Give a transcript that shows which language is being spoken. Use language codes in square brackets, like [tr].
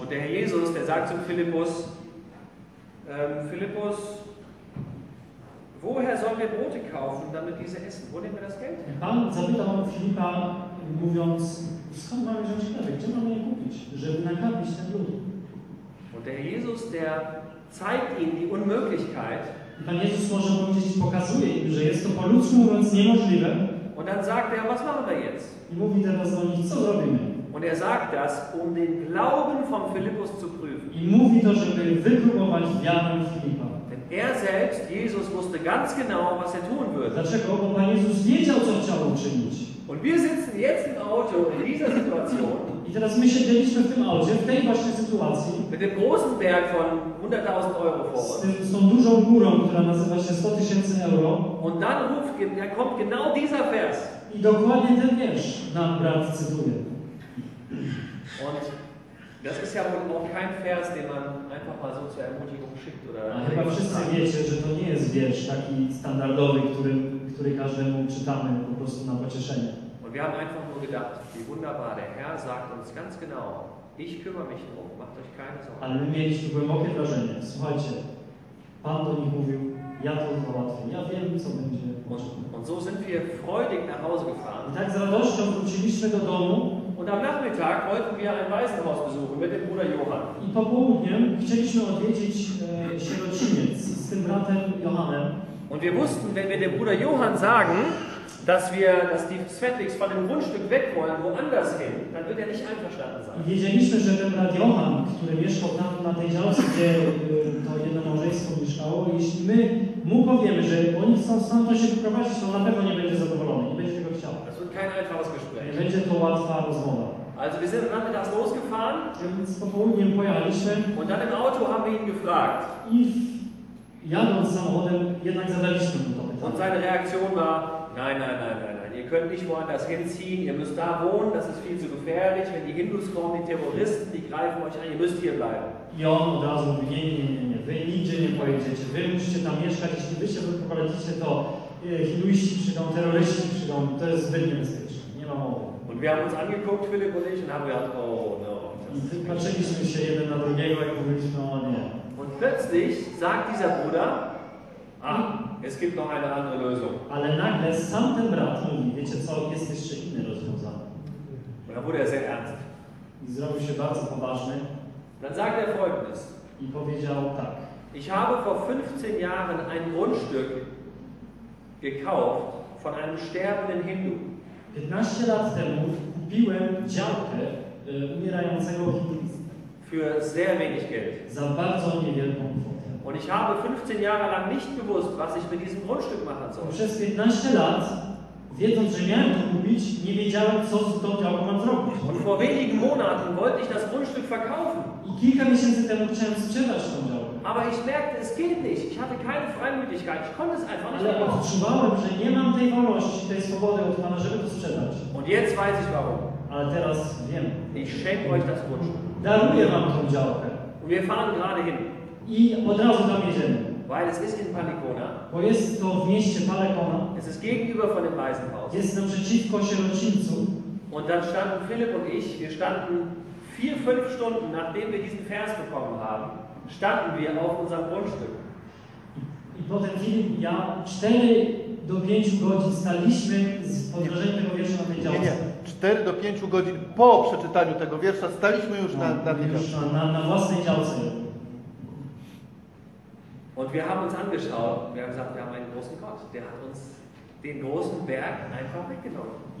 [de] Und der Herr Jesus, der sagt zu Philippus, Philippus, woher sollen wir Brote kaufen, damit diese essen? Wo nehmen wir das Geld? [pl] Pan zapytał Filipa, mówiąc, skąd mamy wziąć chleb? Gdzie mamy je kupić, żeby nakarmić ten lud? [de] Und der Jesus, der zeigt ihnen die Unmöglichkeit. [pl] I Pan Jezus może powiedzieć, pokazuje im, że jest to po ludzku mówiąc niemożliwe. [de] Und dann sagt er, was machen wir jetzt? [pl] I mówi teraz do nich, co zrobimy? [de] Und er sagt das, um den Glauben von Philippus zu prüfen. [pl] I mówi to, żeby wypróbować wiarę Filipa. [de] Denn er selbst, Jesus, wusste ganz genau, was er tun würde. [pl] Dlaczego? Bo Pan Jezus wiedział, co chciał uczynić. [de] Und wir sitzen jetzt im Auto in dieser Situation. [pl] I teraz my siedzieliśmy w tym aucie, w tej właśnie sytuacji. [de] Mit dem großen Berg von 100.000 Euro vor uns. [pl] Z tą dużą górą, która nazywa się 100 tysięcy euro. [de] Und dann ruft, da kommt genau dieser Vers. [pl] I dokładnie ten wiersz nam brat cytuje. [de] Und das ist ja wohl auch kein Vers, den man einfach mal so zur Ermutigung schickt. Oder [pl] a chyba wszyscy wiecie, że to nie jest wiersz taki standardowy, który każdemu czytamy po prostu na pocieszenie. [de] Und wir haben einfach nur gedacht, wie wunderbar, der Herr sagt uns ganz genau, ich kümmere mich drum, macht euch keine Sorgen. [pl] Ale my mieliśmy głębokie wrażenie, słuchajcie, Pan do nich mówił, ja to załatwię, ja wiem, co będzie. [de] Und so sind wir freudig nach Hause gefahren. [pl] I tak z radością wróciliśmy do domu. [de] Und am Nachmittag wollten wir ein Waisenhaus besuchen mit dem Bruder Johann. [pl] I po południem chcieliśmy odwiedzić sierociniec z tym bratem Johannem. [de] Und wir wussten, wenn wir dem Bruder Johann sagen, dass die Svetliks von dem Grundstück weg wollen, woanders hin, dann wird er nicht einverstanden sein. [pl] Wiedzieliśmy, że ten brat Johann, który mieszkał tam na tej działce, gdzie to jedno małżeństwo mieszkało, jeśli my mu powiemy, że oni chcą stamtąd się wyprowadzić, to na pewno nie będzie zadowolony, nie będzie tego chciał. [de] Das wird kein einfaches Gespräch. [pl] Nie będzie to łatwa rozmowa. [de] Also wir sind am Nachmittag losgefahren. [pl] Więc po południem pojechaliśmy. [de] Und dann im Auto haben wir ihn gefragt. [pl] Jadąc samochodem, jednak zadaliśmy mu to pytanie. [de] Und seine Reaktion war, nein, ihr könnt nicht woanders hinziehen, ihr müsst da wohnen, das ist viel zu gefährlich, wenn die Hindus kommen, die Terroristen, die greifen euch an, ihr müsst hier bleiben. [pl] I on od razu mówi, nie, wy nigdzie nie pojedziecie, wy musicie tam mieszkać, jeśli wy się wyprowadzicie, to hinduiści przyjdą, terroryści przyjdą, to jest zbyt niebezpieczne, nie ma mowy. [de] Und wir haben uns angeguckt, Philipp und ich, und haben gesagt, [en] oh no. [pl] I patrzyliśmy się jeden na drugiego i mówiliśmy, no nie. [de] Und plötzlich sagt dieser Bruder, es gibt noch eine andere Lösung. [pl] Ale nagle sam ten brat mówi, wiecie co, jest jeszcze inne rozwiązanie. [de] Und dann wurde sehr ernst. [pl] I zrobił się bardzo poważny. [de] Dann sagt folgendes. [pl] I powiedział tak. [de] Ich habe vor 15 Jahren ein Grundstück gekauft von einem sterbenden Hindu. [pl] 15 lat temu kupiłem działkę umierającego hinduisty. [de] Für sehr wenig Geld. [pl] Za bardzo niewielką kwotę. [de] Und ich habe 15 Jahre lang nicht gewusst, was ich mit diesem Grundstück machen soll. [pl] Przez 15 lat, wiedząc, że miałem to kupić, nie wiedziałem, co z tą działką mam zrobić. [de] Und vor wenigen Monaten wollte ich das Grundstück verkaufen. [pl] I kilka miesięcy temu chciałem sprzedać tą działkę. [de] Aber ich merkte, es geht nicht. Ich hatte keine Freimütigkeit. Ich konnte es einfach nicht machen. [pl] Ale odczuwałem, że nie mam tej wolności, tej swobody od Pana, żeby to sprzedać. [de] Und jetzt weiß ich warum. [pl] Ale teraz wiem. [de] Ich schenke euch das Grundstück. [pl] Daruję wam tą działkę. [de] Und wir fahren gerade hin. [pl] I od razu tam jedziemy. [de] Weil es ist in Palikona. [pl] Bo jest to w mieście Palikona. [de] Es ist gegenüber von dem Waisenhaus. [pl] Jest nam przeciwko sierocińcu. [de] Und dann standen Philipp und ich, wir standen 4-5 Stunden, nachdem wir diesen Vers bekommen haben, standen wir auf unserem Grundstück. [pl] I potem Philipp, ja, 4-5 godzin staliśmy z podrożeniem tego wiersza na tej działce. 4-5 godzin po przeczytaniu tego wiersza staliśmy już na tej działce. Na własnej działce. [de] Und wir haben uns angeschaut, wir haben gesagt, wir haben einen großen Gott, der hat uns den großen Berg einfach weggenommen.